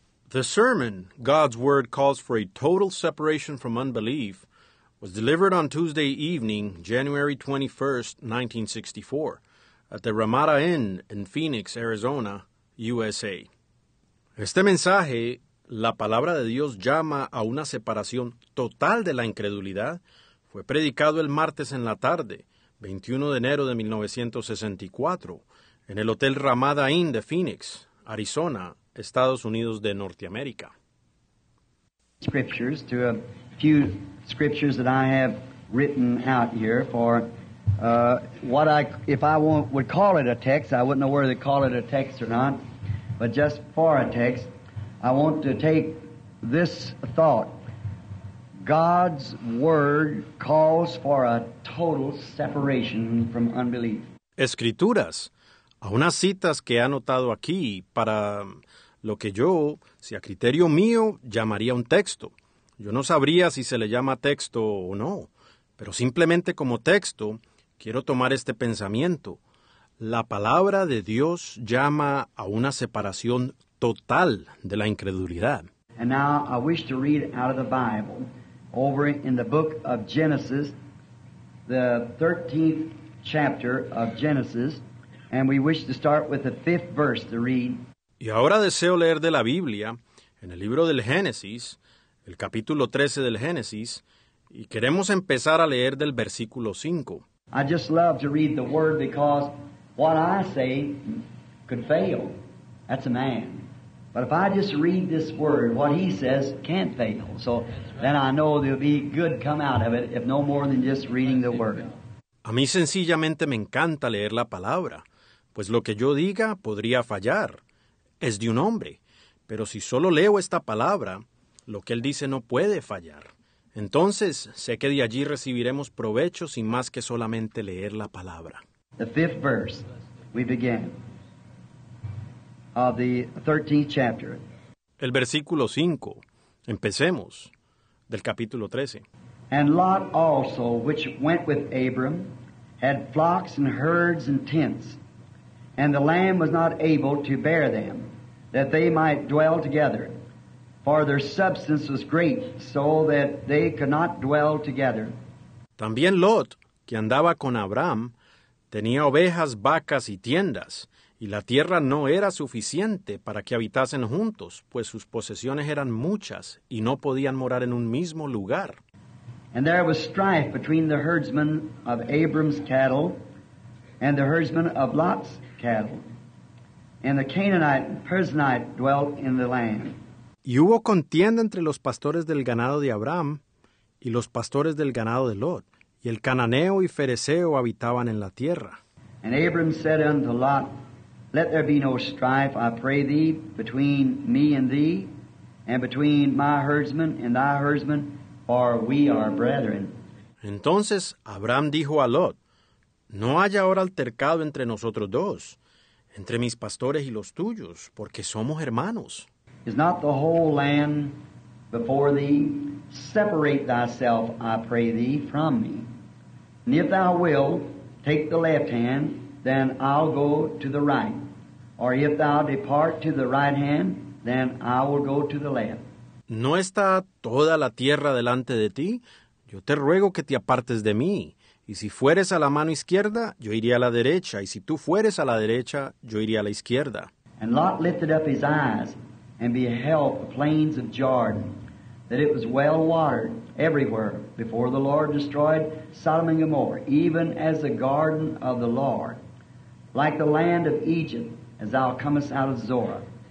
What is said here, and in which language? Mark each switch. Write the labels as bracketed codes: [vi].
[en] The sermon, God's Word Calls for a Total Separation from Unbelief, was delivered on Tuesday evening, January 21, 1964, at the Ramada Inn in Phoenix, Arizona, USA. [es] Este mensaje, la palabra de Dios llama a una separación total de la incredulidad, fue predicado el martes en la tarde, 21 de enero de 1964, en el Hotel Ramada Inn de Phoenix, Arizona, Estados Unidos de Norteamérica. [en] Scriptures to a few scriptures that I have written out here for what I, if I won't, would call it a text, I wouldn't know whether to call it a text or not, but just for a text, I want to take this thought. God's Word calls for a total separation from unbelief. [es] Escrituras, a unas citas que he anotado aquí para lo que yo, si a criterio mío, llamaría un texto. Yo no sabría si se le llama texto o no, pero simplemente como texto, quiero tomar este pensamiento. La palabra de Dios llama a una separación total de la incredulidad. [en] And now I wish to read out of the Bible, over in the book of Genesis, the 13th chapter of Genesis, and we wish to start with the 5th verse to read. [es] Y ahora deseo leer de la Biblia, en el libro del Génesis, el capítulo 13 del Génesis, y queremos empezar a leer del versículo 5. [en] I just love to read the word because what I say could fail. That's a man. But if I just read this word, what he says can't fail. So then I know there'll be good come out of it, if no more than just reading the word. [es] A mí sencillamente me encanta leer la palabra, pues lo que yo diga podría fallar. Es de un hombre, pero si solo leo esta palabra, lo que él dice no puede fallar. Entonces, sé que de allí recibiremos provecho sin más que solamente leer la palabra. [en] The fifth verse, we begin, of the 13th chapter. [es] El versículo 5, empecemos, del capítulo 13. [en] And Lot also, which went with Abram, had flocks and herds and tents, and the land was not able to bear them, that they might dwell together. For their substance was great, so that they could not dwell together. [es] También Lot, que andaba con Abraham, tenía ovejas, vacas y tiendas, y la tierra no era suficiente para que habitasen juntos, pues sus posesiones eran muchas y no podían morar en un mismo lugar. [en] And there was strife between the herdsmen of Abram's cattle and the herdsmen of Lot's cattle. And the Canaanite and Perizzite dwelt in the land. [es] Y hubo contienda entre los pastores del ganado de Abraham y los pastores del ganado de Lot, y el cananeo y fereceo habitaban en la tierra. [en] And Abram said unto Lot, Let there be no strife, I pray thee, between me and thee, and between my herdsmen and thy herdsmen, for we are brethren. [es] Entonces Abraham dijo a Lot, No haya ahora altercado entre nosotros dos, entre mis pastores y los tuyos, porque somos hermanos. [en] Is not the whole land before thee? Separate thyself, I pray thee, from me. And if thou wilt, take the left hand, then I'll go to the right. Or if thou depart to the right hand, then I will go to the left. [es] ¿No está toda la tierra delante de ti? Yo te ruego que te apartes de mí. Y si fueres a la mano izquierda, yo iré a la derecha. Y si tú fueres a la derecha, yo iré a la izquierda. [en] And Lot lifted up his eyes and beheld the plains of Jordan, that it was well watered everywhere before the Lord destroyed Sodom and Gomorrah, even as the garden of the Lord, like the land of Egypt, as thou comest out of Zorah.